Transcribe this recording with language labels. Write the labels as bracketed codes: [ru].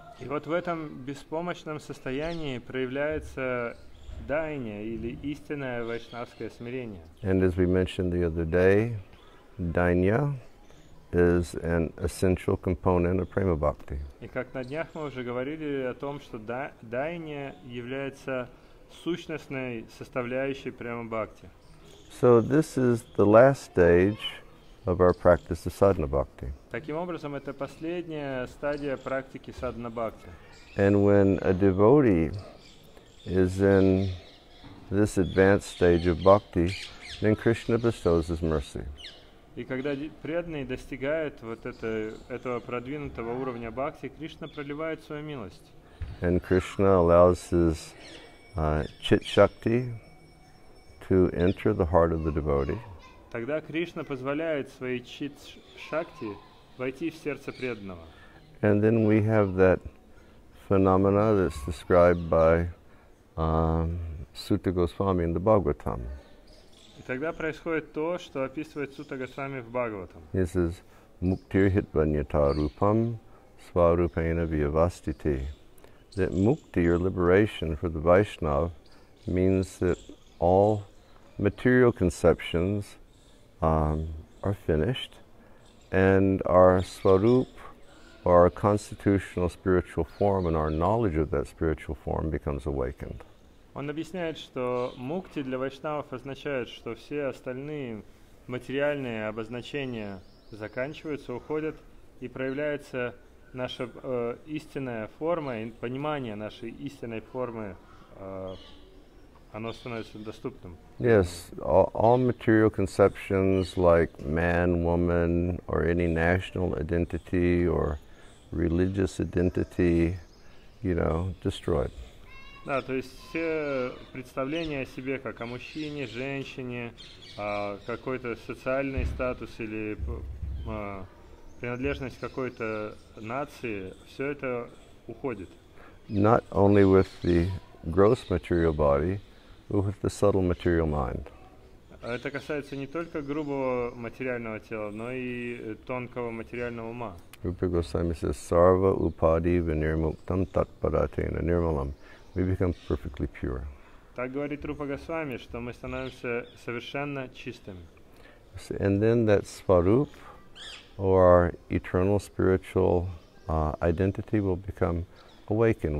[ru] И вот в этом беспомощном состоянии проявляется Дайня или истинное вайшнавское смирение. [en] And as we mentioned the other day, Dainya is an essential component of prema bhakti. [ru] И как на днях мы уже говорили о том, что Дайня является сущностной составляющей према бхакти. [en] So this is the last stage of our practice of sadhana bhakti. [ru] Таким образом, это последняя стадия практики садхана бхакти. [en] And when a devotee is in this advanced stage of bhakti, then Krishna bestows his mercy. [ru] И когда преданный достигает вот этого продвинутого уровня бхакти, Кришна проливает свою милость. [en] And Krishna allows his chit shakti to enter the heart of the devotee. [ru] Тогда Кришна позволяет своей чит-шакти войти в сердце преданного. [en] And then we have that phenomena that's described by Sutta Goswami in the Bhagavatam. [ru] И тогда происходит то, что описывает Сутта Госвами в Бхагаватам. [en] He says, [sa] "Муктир хитваньята рупам сварупена виавастити." [en] That mukti, or liberation, for the Vaishnav, means that all material conceptions are finished, and our swarup, or our constitutional spiritual form, and our knowledge of that spiritual form becomes awakened. [ru] Он объясняет, что мукти для вайшнавов означает, что все остальные материальные обозначения заканчиваются, уходят, и проявляется наша истинная форма, понимание нашей истинной формы, оно становится доступным. [en] Yes, all material conceptions like man, woman, or any national identity or religious identity, you know, destroyed. [ru] Да, то есть все представления о себе как о мужчине, женщине, какой-то социальный статус или принадлежность какой-то нации, все это уходит. [en] Not only with the gross material body, but with the subtle material mind. [ru] Это касается не только грубого материального тела, но и тонкого материального ума. [en] Rupa Goswami says, [sa] "Sarva upadi vinirmuktam tatparatena nirmalam." [en] We become perfectly pure. [ru] Так говорит Рупа Госвами, что мы становимся совершенно чистыми. [en] And then that svarup, or our eternal spiritual identity, will become awakened.